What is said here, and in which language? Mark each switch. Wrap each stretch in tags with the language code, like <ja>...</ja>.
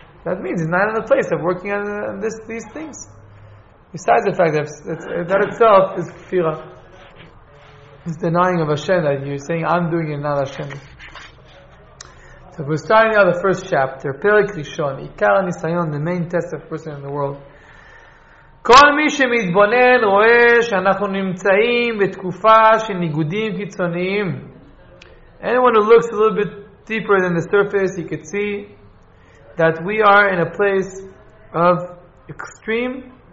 <en>That means he's not in the place of working on these things. Besides the fact that that itself is kfira. It's denying of Hashem, that you're saying, I'm doing it, not Hashem. So we're starting out the first chapter, Perek Rishon, Ikar Nisayon, the main test of person in the world.</en> <he>כל מי שמתבונן רואה שאנחנו נמצאים בתקופה של ניגודים קיצוניים.</he> <en>Anyone who looks a little bit deeper than the surface, you could see that we are in a place of extreme</en>